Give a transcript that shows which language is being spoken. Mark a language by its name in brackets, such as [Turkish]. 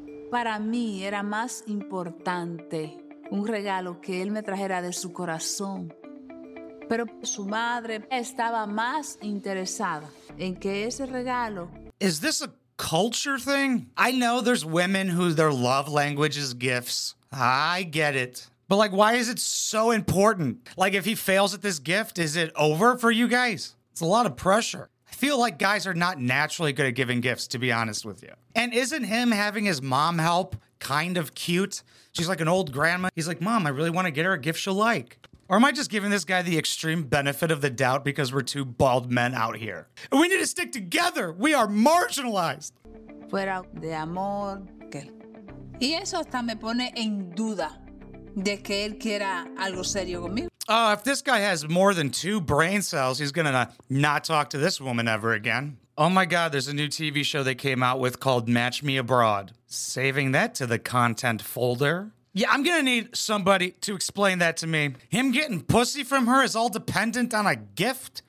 [Spanish] Para mí era más importante un regalo que él me trajera de su corazón. Pero su madre estaba más interesada en que ese regalo. [English] Is this a culture thing? I know there's women who their love language is gifts. I get it. But like, why is it so important? Like, if he fails at this gift, is it over for you guys? It's a lot of pressure. I feel like guys are not naturally good at giving gifts, to be honest with you. And isn't him having his mom help kind of cute? She's like an old grandma. He's like, Mom, I really want to get her a gift she'll like. Or am I just giving this guy the extreme benefit of the doubt because we're two bald men out here? We need to stick together. We are marginalized. [Spanish] Fuera de amor. Y eso hasta me pone en duda de que él quiera algo serio conmigo. [English] Oh, if this guy has more than two brain cells, he's gonna not talk to this woman ever again. Oh my God, there's a new TV show they came out with called Match Me Abroad. Saving that to the content folder. Yeah, I'm gonna need somebody to explain that to me. Him getting pussy from her is all dependent on a gift?